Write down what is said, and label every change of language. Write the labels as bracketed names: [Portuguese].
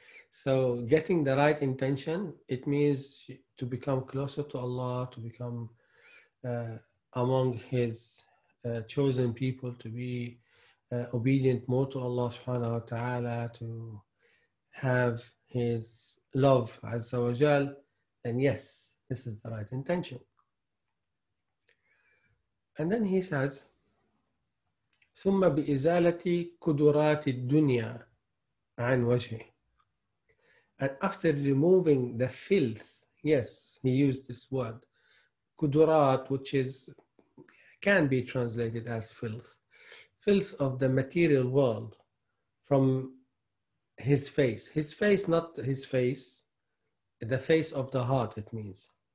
[English] So getting the right intention, it means to become closer to Allah, to become among His chosen people, to be obedient more to Allah subhanahu wa ta'ala, to have His love azza wa jal, then yes, this is the right intention. And then he says, [Arabic] ثُمَّ بِإِزَالَةِ قُدُرَاتِ الدُّنْيَا عَنْ وَجْهِ. [English] And after removing the filth, yes, he used this word, قُدُرَات, which is can be translated as filth, filth of the material world from his face. His face, not his face, the face of the heart, it means.